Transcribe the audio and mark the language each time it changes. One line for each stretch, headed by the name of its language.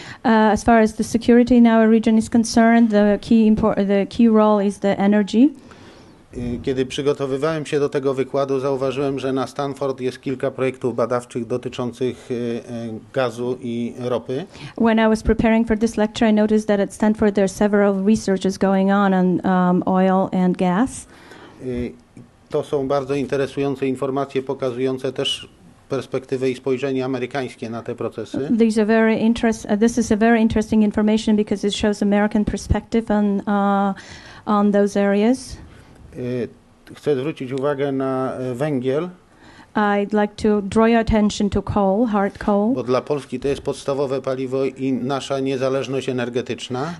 English: As far as the security in our region is concerned, the key role is the energy.
Polish: Kiedy przygotowywałem się do tego wykładu, zauważyłem, że na Stanford jest kilka projektów badawczych dotyczących gazu i ropy.
English: When I was preparing for this lecture, I noticed that at Stanford there are several researches going on oil and gas.
Polish: To są bardzo interesujące informacje pokazujące też perspektywy i spojrzenie amerykańskie na te procesy.
English: This is a very interesting information because it shows American perspective on those areas.
Polish: Chcę zwrócić uwagę na węgiel.
English: I'd like to draw your attention to coal, hard coal.
Polish: Bo dla Polski to jest podstawowe paliwo i nasza niezależność energetyczna.